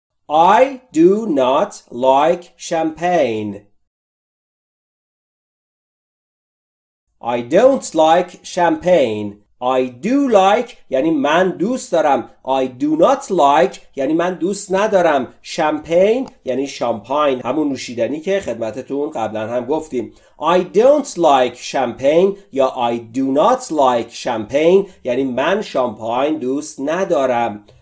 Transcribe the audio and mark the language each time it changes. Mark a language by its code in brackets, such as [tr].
[en] I do not like champagne. I don't like champagne. I do like [fa] یعنی من دوست دارم. [en] I do not like [fa] یعنی من دوست ندارم. Champagne یعنی شامپاین، همون نوشیدنی که خدمتتون قبلا هم گفتیم. [en] I don't like champagne یا I do not like champagne [fa] یعنی من شامپاین دوست ندارم.